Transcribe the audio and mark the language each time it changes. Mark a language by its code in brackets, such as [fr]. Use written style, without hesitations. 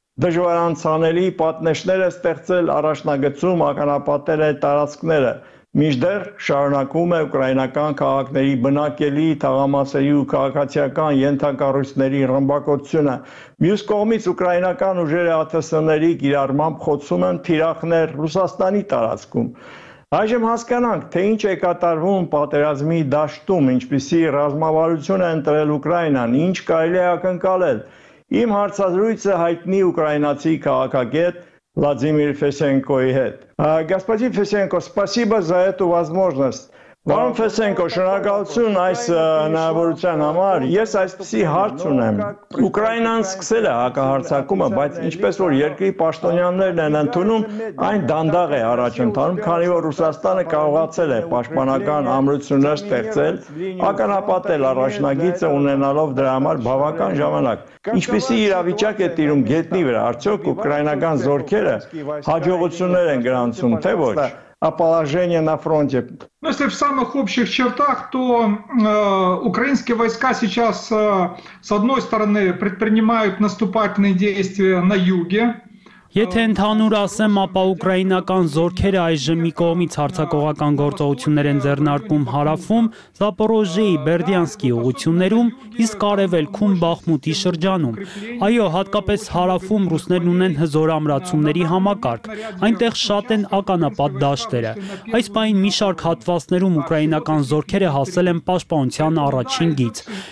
[hy] դժվարանցանելի պատնեշները ստեղծել առաջնագծում ականապատել է տարածքները, մինչդեռ շարունակվում է ուկրաինական քաղաքների բնակելի թաղամասերի ու քաղաքացիական ենթակառույցների ռմբակոծությունը։ Մյուս կողմից ուկրաինական ուժերը ԱԹՍ-ների կիրառմամբ խոցում են թիրախներ Ռուսաստանի տարածքում։ Այժմ հասկանանք, թե ինչ է կատարվում պատերազմի դաշտում, ինչպիսի ռազմավարություն է ընտրել Ուկրաինան, ինչ կարելի է ակնկալել։ Իմ հարցազրույցը հայտնի ուկրաինացի քաղաքագետ Владимир Фесенко и хет. [ru] Господин Фесенко, спасибо за эту возможность. [hy] Պարոն Ֆեսենկո, շնորհակալություն այս հնարավորության համար։ Ես այսպեսի հարց ունեմ. Ուկրաինան սկսել է հակահարձակումը, բայց ինչպես որ երկրի պաշտոնյաներն են ընդունում, այն դանդաղ է առաջ ընթանում, քանի որ Ռուսաստանը կարողացել է պաշտպանական ամրություններ ստեղծել, ականապատել առաջնագիծը ունենալով դրա համար բավական ժամանակ։ Ինչպեսի իրավիճակ է տիրում գետնի վրա, արդյոք ուկրաինական զորքերը հաջողություններ են գրանցում, թե ոչ։ [ru] О положении на фронте. Ну, если в самых общих чертах, то украинские войска сейчас, с одной стороны, предпринимают наступательные действия на юге. [hy] Եթե ընդհանուր ասեմ, ապա ուկրաինական զորքերը այժմ մի կողմից հարձակողական գործողություններ են ձեռնարկում Հարավում, Զապորոժիի, Բերդյանսկի ուղություններում, իսկ արևելքում Բախմուտի շրջանում։ Այո, հատկապես Հարավում ռուսներն ունեն հզոր ամրացումների համակարգ, այնտեղ շատ են ականապատ դաշտերը։ Այս պահին մի շարք հատվածներում ուկրաինական զորքերը հասել են պաշտպանության առաջին գիծ,